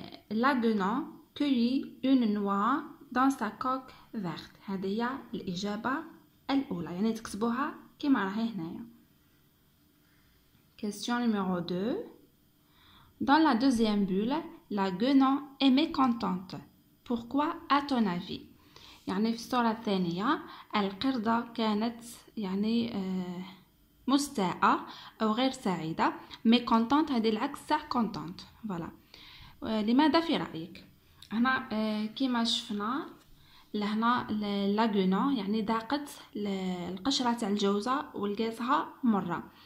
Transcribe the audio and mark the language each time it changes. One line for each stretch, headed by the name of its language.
Arabic: لا غونون كوي اون نوا دون سا كوك فيرت، هذه هي الإجابة الأولى، يعني تكتبوها كما راهي هنايا.
French: Question numéro 2. Dans la deuxième bulle, la guenon est mécontente. Pourquoi, à ton avis?
Arabic: يعني في الصورة الثانية القردة كانت يعني مستاءة أو غير سعيدة. مكونتانت هذه العكس تاع كونتانت. فوالا، لماذا في رأيك؟ هنا كيما شفنا لهنا لاغونا يعني ضاقت القشرة تاع الجوزة ولقاتها مرة.